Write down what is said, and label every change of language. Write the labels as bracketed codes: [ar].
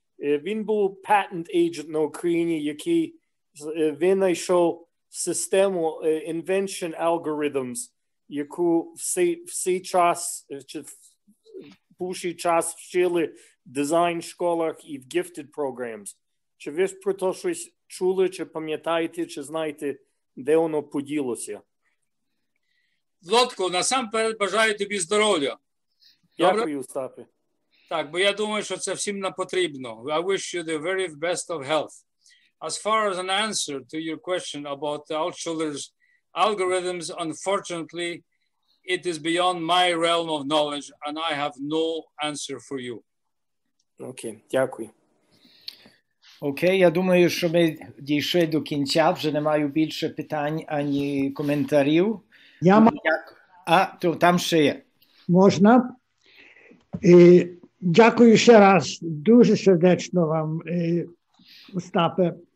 [uk] Він був патент агент на Україні, який винайшов систему [en] invention algorithms, [uk] яку всі час, чи пуші час вчили в дизайн школах і в [en] gifted programs. [uk] Чи ви про то щось чули, чи пам'ятаєте, чи знаєте, де воно поділося? Лодко, насамперед бажаю тобі здоров'я. Дякую, Остапе. Так, бо я думаю, що це всім нам потрібно. [en] I wish you the very best of health. As far as an answer to your question about Altshuler's algorithms, unfortunately, it is beyond my realm of knowledge, and I have no answer for you. Okay, [uk] дякую. Окей, я думаю, що ми дійшли до кінця, вже не маю більше питань ані коментарів. Я то там ще є. Можна? Дякую ще раз, дуже сердечно вам, Остапе.